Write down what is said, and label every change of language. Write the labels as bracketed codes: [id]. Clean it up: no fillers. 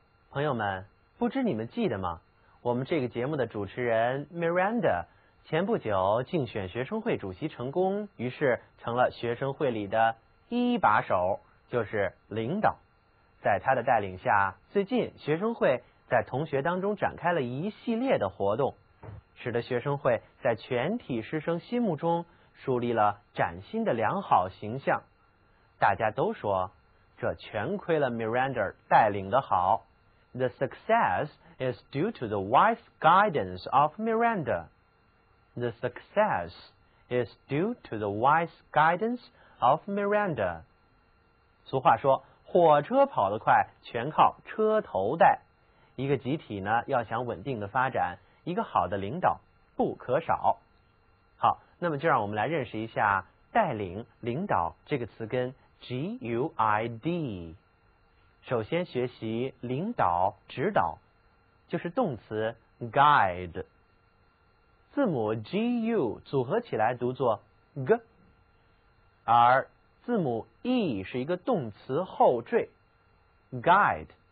[zh] 朋友们，不知你们记得吗？我们这个节目的主持人 Miranda 前不久竞选学生会主席成功，于是成了学生会里的一把手，就是领导。在他的带领下，最近学生会在同学当中展开了一系列的活动，使得学生会在全体师生心目中树立了崭新的良好形象。大家都说，这全亏了 Miranda 带领的好。 [en] The success is due to the wise guidance of Miranda. The success is due to the wise guidance of Miranda. [zh] 俗话说，火车跑得快，全靠车头带。一个集体呢，要想稳定的发展，一个好的领导不可少。好，那么就让我们来认识一下带领、领导这个词根。 G-U-I-D 首先学习领导、指导，就是动词 guide， 字母 G-U 组合起来读作 g， 而字母 E 是一个动词后缀 guide。